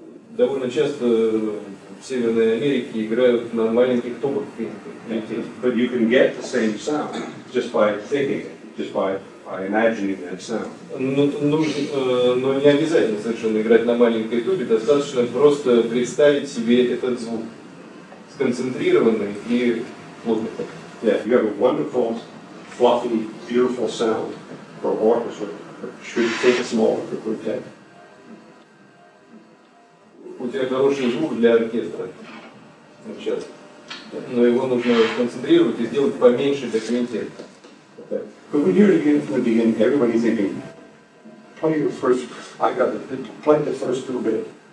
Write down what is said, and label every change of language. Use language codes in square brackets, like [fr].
[ru] Довольно часто в Северной Америке играют на маленьких тубах квинтет. [en] But you can get the same sound just by thinking it, just by imagining that sound. [ru] Но не обязательно совершенно играть на маленькой тубе, достаточно просто представить себе этот звук. Сконцентрированный и плотный. [en] Yeah, you have a wonderful fluffy, beautiful sound for orchestra, but should take a small for quintet. [ru] У тебя хороший звук для оркестра сейчас, но его нужно сконцентрировать и сделать поменьше для квинтета. [en] Okay. But when you're again from the beginning, everybody thinking, play your first. I got to play the first little bit.